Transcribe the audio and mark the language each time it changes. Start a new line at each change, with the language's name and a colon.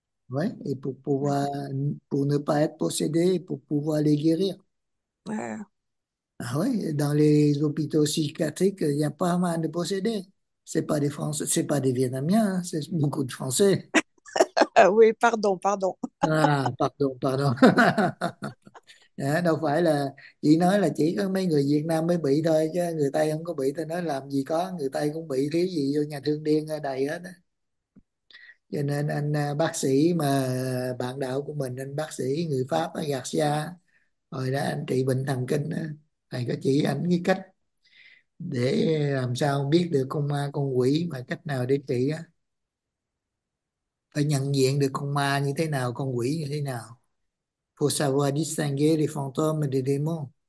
French: Ouais, et pour ne pas être possédé, pour pouvoir les guérir. Ah oui, dans les hôpitaux psychiatriques, il y a pas mal de possédés. C'est pas des Français, c'est pas des Vietnamiens, hein, c'est beaucoup de Français. Oui, pardon, pardon. Ah, pardon, pardon.
Vietnamese: À, đâu phải là chỉ nói là chỉ có mấy người Việt Nam mới bị thôi, chứ người Tây không có bị. Tôi nói làm gì có, người Tây cũng bị, thiếu gì vô nhà thương điên đầy hết đó. Cho nên anh bác sĩ mà bạn đạo của mình, anh bác sĩ người Pháp ở Garcia, hồi đó anh trị bệnh thần kinh, thầy có chỉ anh cái cách để làm sao biết được con ma con quỷ mà cách nào để trị á, phải nhận diện được con ma như thế nào, con quỷ như thế nào.
French: Faut savoir distinguer les fantômes des démons.